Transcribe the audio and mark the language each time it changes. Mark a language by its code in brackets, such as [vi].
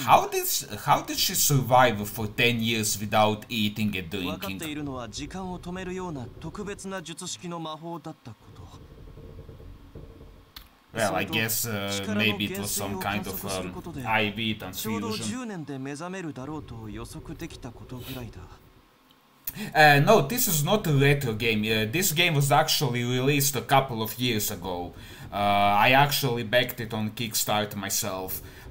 [en] How did she survive for 10 years without eating and drinking? [ja] わかっているのは時間を止めるような特別な術式の魔法だったこと。 [en] Well, I guess maybe it was some kind of IV transfusion. [ja] ちょうど10年で目覚めるだろうと予測できたことぐらいだ。 [en] No, this is not a retro game. This game was actually released a couple of years ago. I actually backed it on Kickstarter myself.